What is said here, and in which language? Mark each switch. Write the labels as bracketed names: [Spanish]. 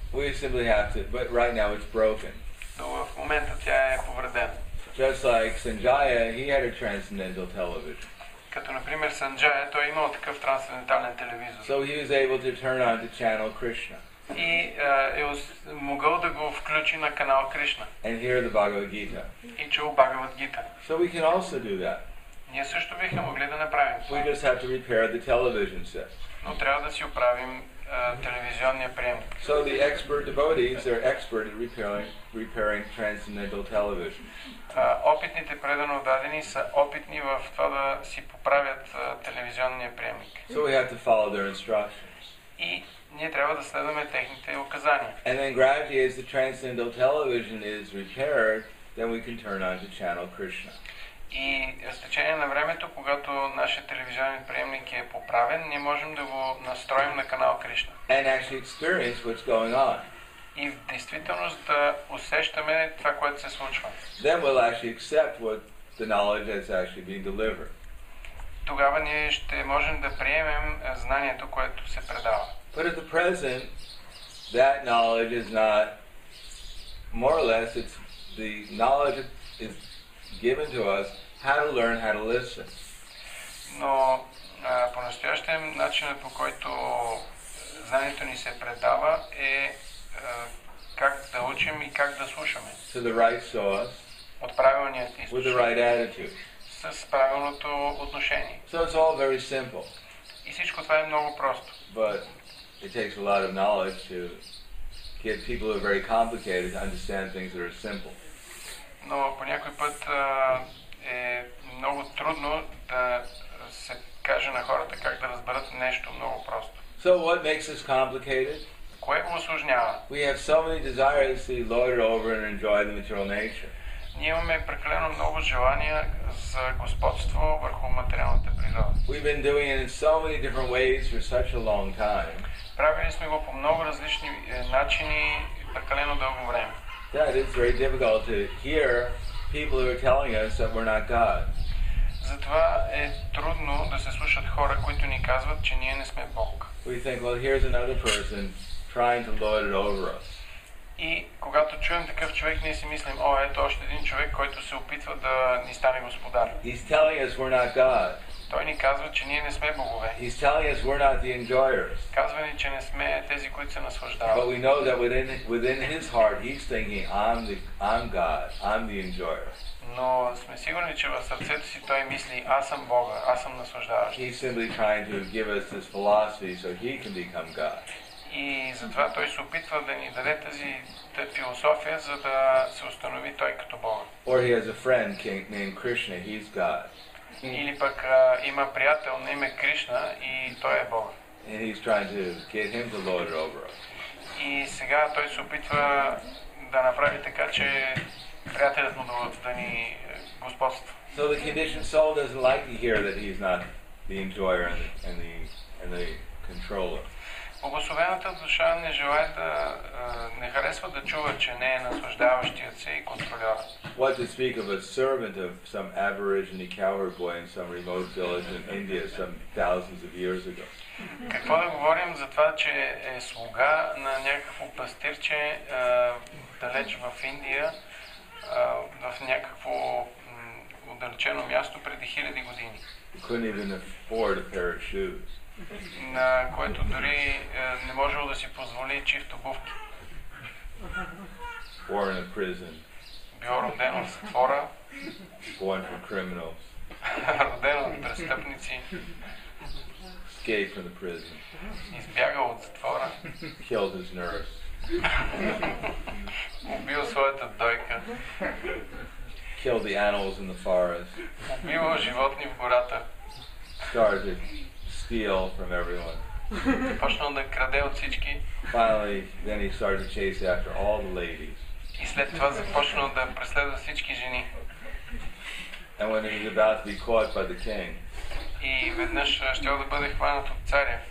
[English] We simply have to, but right now it's broken. [Bulgarian] Но в момента тя е повредена. [English] Just like Sanjaya, he had a transcendental television. [Bulgarian] Като например Санджая, той имал такъв трансцендентален телевизор. [English] So he was able to turn on to channel Krishna. [Bulgarian] и е могъл да го включи на канал Кришна. [English] And hear the Bhagavad Gita. [Bulgarian] И чул Бхагавад Гита. [English] So we can also do that. [Bulgarian] Ние също бихме могли да направим това. [English] We just have to repair the television set. [Bulgarian] Но трябва да си оправим телевизионния приемник. [English] So the expert devotees are expert at repairing transcendental television. [Bulgarian] Опитните предано дадени са опитни в това да си поправят телевизионния приемник. [English] So we have to follow their instructions. [Bulgarian] И ние трябва да следваме техните указания. [English] And then gradually as the transcendental television is repaired, then we can turn on to channel Krishna. [Bulgarian] И с течение на времето, когато нашия телевизионен приемник е поправен, ние можем да го настроим на канал Кришна. [English] And actually experience what's going on. [Bulgarian] И в действителност да усещаме това, което се случва. [English] Then we'll actually accept what the knowledge that's actually being delivered. [Bulgarian] Тогава ние ще можем да приемем знанието, което се предава. [English] But at the present, that knowledge is not, more or less, it's the knowledge is given to us how to learn how to listen. [Bulgarian] Но по-настоящем начинът, по който знанието ни се предава, е как да учим и как да слушаме. [English] To the right source, [Bulgarian] от правилният източник, [English] with the right attitude. [Bulgarian] С правилното отношение. [English] So it's all very simple. [Bulgarian] И всичко това е много просто. [English] But it takes a lot of knowledge to get people who are very complicated to understand things that are simple. [Bulgarian] Но по някой път е много трудно да се каже на хората как да разберат нещо много просто. [English] So what makes this complicated? [Bulgarian] Кое го усложнява? [English] We have so many desires to loiter over and enjoy the material nature. [Bulgarian] Ние имаме прекалено много желания за господство върху материалната природа. [English] We've been doing it in so many different ways for such a long time. [Bulgarian] Правили сме го по много различни начини прекалено дълго време. [English] That is very difficult to hear people who are telling us that we're not God. [Bulgarian] Затова е трудно да се слушат хора, които ни казват, че ние не сме Бог. [English] We think, well, here's another person trying to lord it over us. [Bulgarian] И когато чуем такъв човек, ние си мислим, о, ето още един човек, който се опитва да ни стане господар. [English] He's telling us we're not God. [Bulgarian] Той ни казва, че ние не сме богове. [English] He's telling us we're not the enjoyers. [Bulgarian] Казва ни, че не сме тези, които се наслаждават. [English] But we know that within his heart, he's thinking, I'm God, I'm the enjoyer. [Bulgarian] Но сме сигурни, че в сърцето си той мисли, аз съм Бога, аз съм наслаждаващ. [English] He's simply trying to give us this philosophy so he can become God. [Bulgarian] И затова той се опитва да ни даде тази философия, за да се установи той като Бог. [English] Or he has a friend named Krishna, he's God. [Bulgarian] Или пък има приятел на име Кришна и той е Бог. [English] And he's trying to get him to lord it over us. [Bulgarian] И сега той се опитва да направи така, че приятелят му да ни господства. [English] So the conditioned soul doesn't like to hear that he's not the enjoyer and the controller. [Bulgarian] Благословената душа не желая да не харесва да чува, че не е наслаждаващият се и контролера. [English] What to speak of a servant of some aborigine cowherd boy in some remote village in India some thousands of years ago? [Bulgarian] Какво да говорим за това, че е слуга на някакво пастирче далеч в Индия, в някакво отдалечено място преди хиляди години? [English] He couldn't even afford a pair of shoes. [Bulgarian] На което дори не можело да си позволи чифт обувки. [English] Born in a prison. [Bulgarian] Бил роден в затвора. [English] Born from criminals. [Bulgarian] Роден от престъпници. [English] Escaped from the prison. [Bulgarian] Избягал от затвора. [English] Killed his nurse. [Bulgarian] Убил своята дойка. [English] Killed the animals in the forest. [Bulgarian] Убил животни в гората. [English] Started steal from everyone. [Bulgarian] Почнал да краде от всички. [English] Finally, then he started to chase after all the ladies. [Bulgarian] И след това започнал да преследва всички жени. [English] And when he was about to be caught by the king. [Bulgarian] И веднъж щял да бъде хванат от царя.